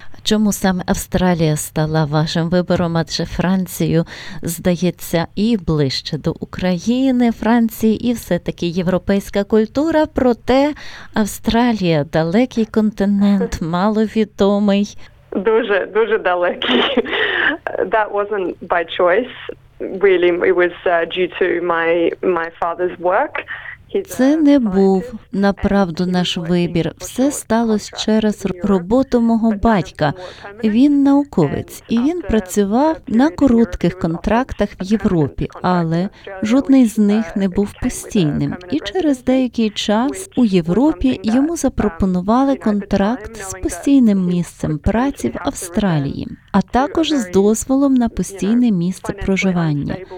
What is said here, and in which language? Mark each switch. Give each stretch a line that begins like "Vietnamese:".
Ukrainian: Чому саме Австралія стала вашим вибором? Адже Францію, здається, і ближче до України, Франції, і все-таки європейська культура. Проте Австралія – далекий континент, маловідомий. Дуже, дуже далекий.
English: That wasn't by choice, really. It was due to my father's work.
Ukrainian: Це не був, направду, наш вибір. Все сталося через роботу мого батька. Він науковець, і він працював на коротких контрактах в Європі, але жодний з них не був постійним. І через деякий час у Європі йому запропонували контракт з постійним місцем праці в Австралії, а також з дозволом на постійне місце проживання.